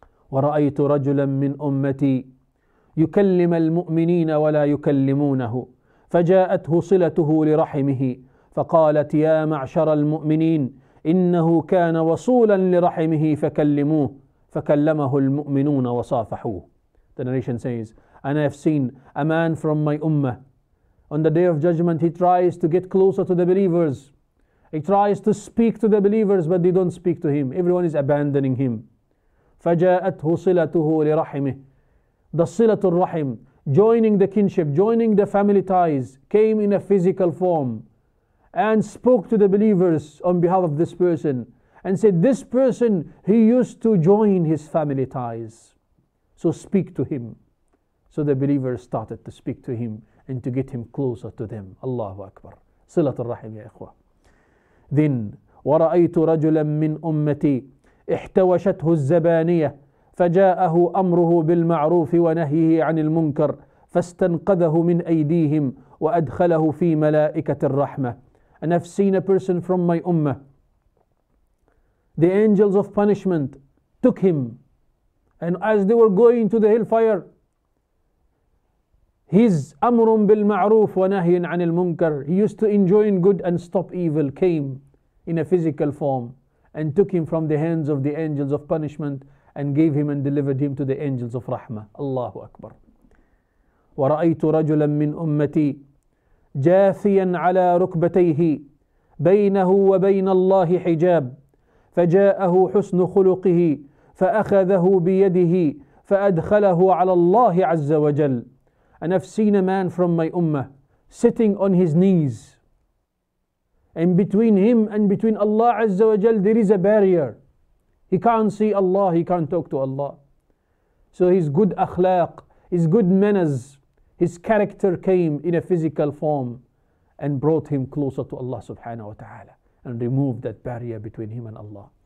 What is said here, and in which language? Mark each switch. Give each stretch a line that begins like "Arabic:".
Arabic: ورأيت رجلا من أمتي يكلم المؤمنين ولا يكلمونه فجاءته صلته لرحمه فقالت يا معشر المؤمنين إنه كان وصولا لرحمه فكلموه فكلمه المؤمنون وصافحوه.
English: The narration says, and I have seen a man from my ummah. On the day of judgment he tries to get closer to the believers. He tries to speak to the believers but they don't speak to him. Everyone is abandoning him.
Arabic: فجاءته صلته لرحمه.
English: The
Arabic: صلة الرحم,
English: joining the kinship, joining the family ties, came in a physical form and spoke to the believers on behalf of this person and said, this person, he used to join his family ties. So speak to him. So the believers started to speak to him and to get him closer to them.
Arabic: Allahu Akbar. صلة الرحم يا إخوة. Then, ورأيت رجلا من أمتي احتوشته الزبانية فجاءه أمره بالمعروف ونهيه عن المنكر فاستنقذه من أيديهم وأدخله في ملائكة الرحمة.
English: And I've seen a person from my ummah. The angels of punishment took him, and as they were going to the hellfire, his
Arabic: أمر بالمعروف ونهي عن المنكر,
English: he used to enjoin good and stop evil, came in a physical form and took him from the hands of the angels of punishment and gave him and delivered him to the angels of rahmah.
Arabic: Allahu Akbar. ورأيت رجلا من أمتي جاثيا على ركبتيه بينه وبين الله حجاب، فجاءه حسن خلقه فأخذه بيده فأدخله على الله عز وجل.
English: And I've seen a man from my ummah sitting on his knees. And between him and between Allah Azza wa Jal, there is a barrier. He can't see Allah, he can't talk to Allah. So his good akhlaq, his good manners, his character came in a physical form and brought him closer to Allah subhanahu wa ta'ala and removed that barrier between him and Allah.